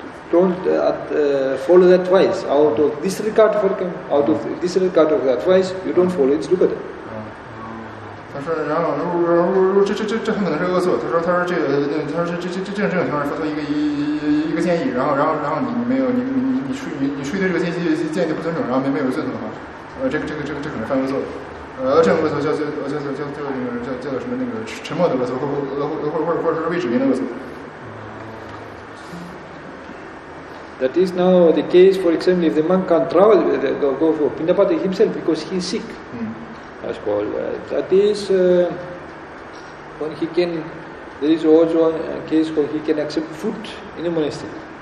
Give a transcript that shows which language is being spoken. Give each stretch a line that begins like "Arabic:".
English: Don't follow the advice out of disregard for him, out of disregard of the advice, you don't follow it, look at it.
Chinese: 他说然后这很可能是恶作，他说这个这种情况发出一个建议，然后你没有你对这个建议不尊重，然后没有遵守的话，这可能犯恶作。这种恶作叫什么那个沉默的恶作，或者说是未指名的恶作。
English: That is now the case, for example, if the monk can't travel, go for Pindapati himself because he's sick. Mm. That's called. That is when he can, there is also a case where he can accept food in a monastery.